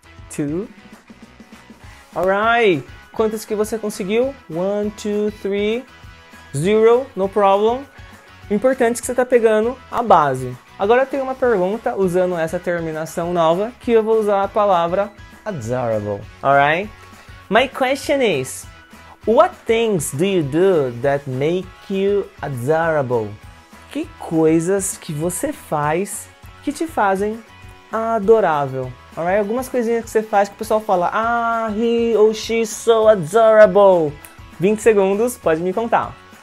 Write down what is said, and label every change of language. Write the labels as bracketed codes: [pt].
[en] Two. Alright, [pt] quantas que você conseguiu? [en] 1, 2, 3, 0, no problem. [pt] O importante é que você está pegando a base. Agora tem uma pergunta usando essa terminação nova que eu vou usar a palavra adorable. [en] Alright? My question is: what things do you do that make you adorable? [pt] Que coisas que você faz que te fazem adorável? [en] Alright? [pt] Algumas coisinhas que você faz que o pessoal fala: ah, [en] he or she is so adorable. [pt] 20 segundos, pode me contar.